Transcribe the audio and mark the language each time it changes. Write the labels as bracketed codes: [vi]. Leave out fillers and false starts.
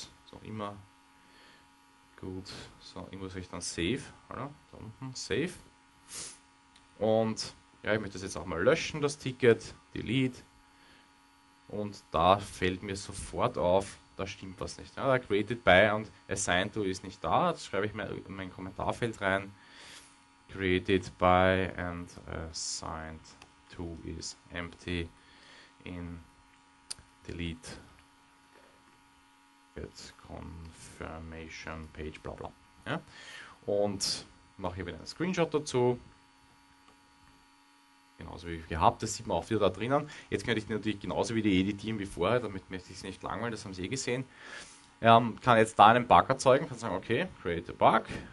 [de] Ist auch immer gut. So, irgendwo soll ich dann save. Oder? Da unten, save. Und ja, ich möchte das jetzt auch mal löschen, das Ticket. Delete. Und da fällt mir sofort auf, da stimmt was nicht. Ja, da created by und assigned to ist nicht da. Das schreibe ich mir in mein Kommentarfeld rein. [en] Created by and assigned to is empty in delete get confirmation page bla bla. [de] Ja? Und mache hier wieder einen Screenshot dazu. Genauso wie gehabt, das sieht man auch wieder da drinnen. Jetzt könnte ich natürlich genauso wieder editieren wie vorher, damit möchte ich es nicht langweilen, das haben Sie eh gesehen. Kann jetzt da einen Bug erzeugen, kann sagen, okay, [en] create a bug.